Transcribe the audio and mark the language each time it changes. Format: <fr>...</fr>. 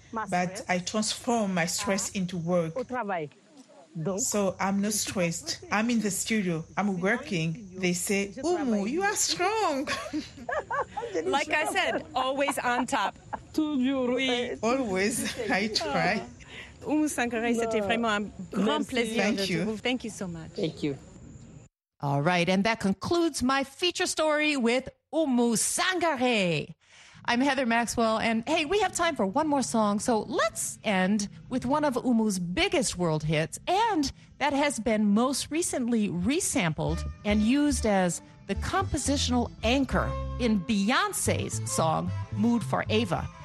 <en>But I transform my stress into work. So I'm not stressed. I'm in the studio. I'm working. They say, Oumou, you are strong. Like I said, always on top. Always. I try.</en> <fr>Oumou Sangaré, c'était vraiment un grand plaisir.</fr> <en>Thank you. Thank you so much. Thank you. All right. And that concludes my feature story with Oumou Sangaré. I'm Heather Maxwell, and hey, we have time for one more song, so let's end with one of Oumou's biggest world hits, and that has been most recently resampled and used as the compositional anchor in Beyoncé's song, Mood for Ava.</en>